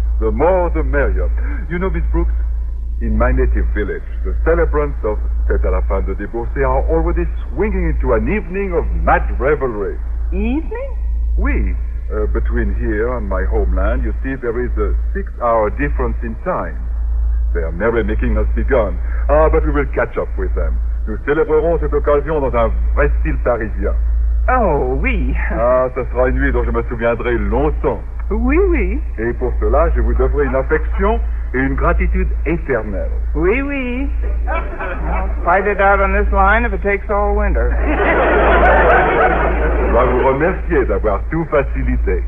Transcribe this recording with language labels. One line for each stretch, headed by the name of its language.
English: The more, the merrier. You know, Miss Brooks, in my native village, the celebrants of Fête à la fin de divorce are already swinging into an evening of mad revelry. Evening?
French: Oui.
English: Between here and my homeland, you see, there is a six-hour difference in time. Their merrymaking has begun. Ah, but we will catch up with them.
French: Nous célébrerons cette occasion dans un vrai style parisien. Oh, oui. Ah, ce sera une nuit dont je me souviendrai longtemps. Oui, oui. Et pour cela, je vous devrai une affection et une gratitude éternelle. Oui, oui.
English: I'll fight it out on this line if it takes all winter.
French: Je dois vous remercier d'avoir tout facilité.